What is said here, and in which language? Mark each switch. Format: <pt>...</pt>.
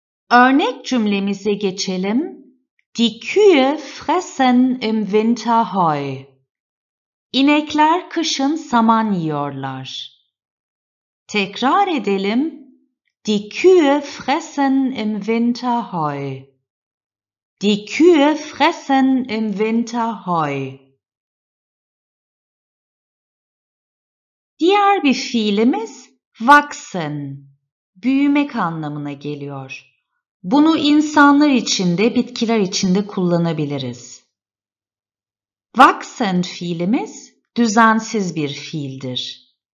<tr>Örnek cümlemize geçelim.</tr> <de>Die Kühe fressen im Winter Heu.</de> <tr>İnekler kışın saman yiyorlar. Tekrar edelim.</tr> <de>Die Kühe fressen im Winter Heu. Die Kühe fressen im Winter Heu.</de> <tr>Diğer bir fiilimiz wachsen, büyümek anlamına geliyor. Bunu insanlar için de, bitkiler için de kullanabiliriz. Wachsen fiilimiz düzensiz bir fiildir.</tr>